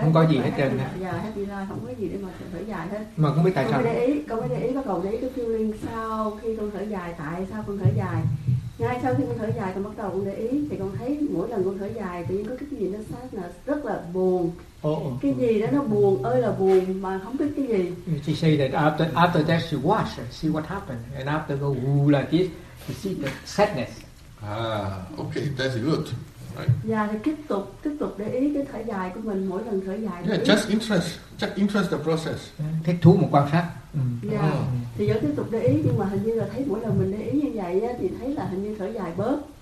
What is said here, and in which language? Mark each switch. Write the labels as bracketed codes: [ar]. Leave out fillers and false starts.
[vi] Không có gì hết trơn. Dạ, happy life, không có gì để mà thở dài hết. Mà không biết tại sao. Con mới để ý bắt đầu để ý cái feeling sau khi con thở dài, tại sao con thở dài. Ngay sau khi con thở dài, con bắt đầu con để ý thì con thấy mỗi lần con thở dài, tự nhiên có cái gì nó sadness, rất là buồn. [en] She said that after that she watch and see what happened, and after go woo like this, she see the sadness. Ah, okay, that's good. Right. [vi] Yeah, thì tiếp tục để ý cái thở dài của mình mỗi lần thở dài. [en] Yeah, just interest the process. [vi] Thích thú một quan sát. Thì vẫn tiếp tục để ý, nhưng mà hình như là thấy mỗi lần mình để ý như vậy á, thì thấy là hình như thở dài bớt.